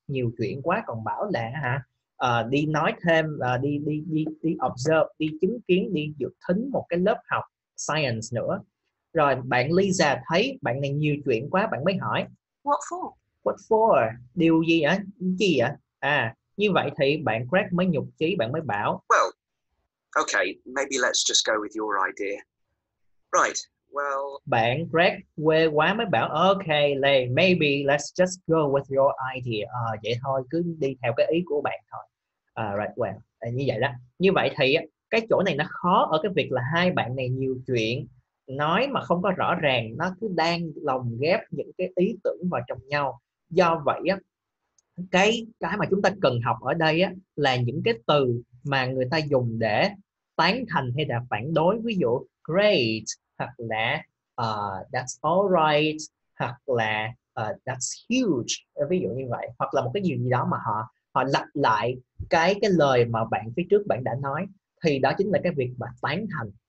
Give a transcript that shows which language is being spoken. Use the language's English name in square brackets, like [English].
[Vietnamese] Nhiều chuyện quá, còn bảo là hả? Đi nói thêm, đi observe, đi chứng kiến, đi dự thính một cái lớp học science nữa. Rồi bạn Lisa thấy bạn này nhiều chuyện quá, bạn mới hỏi [English] what for? What for? [Vietnamese] Điều gì ạ? Gì ạ? À, như vậy thì bạn Craig mới nhục chí, bạn mới bảo [English] well, okay, maybe let's just go with your idea. Right, Well, [Vietnamese] bạn Greg quê quán mới bảo [English] okay, Lay, maybe let's just go with your idea. [Vietnamese] À, vậy thôi, cứ đi theo cái ý của bạn thôi. À, [English] right, well, [Vietnamese] à, như vậy đó. Như vậy thì cái chỗ này nó khó ở cái việc là hai bạn này nhiều chuyện nói mà không có rõ ràng, nó cứ đang lồng ghép những cái ý tưởng vào trong nhau. Do vậy á, cái mà chúng ta cần học ở đây á là những cái từ mà người ta dùng để tán thành hay là phản đối, ví dụ great hoặc là [English] that's all right [Vietnamese] hoặc là [English] that's huge, [Vietnamese] ví dụ như vậy, hoặc là một cái gì đó mà họ lặp lại cái lời mà bạn phía trước bạn đã nói, thì đó chính là cái việc mà tán thành.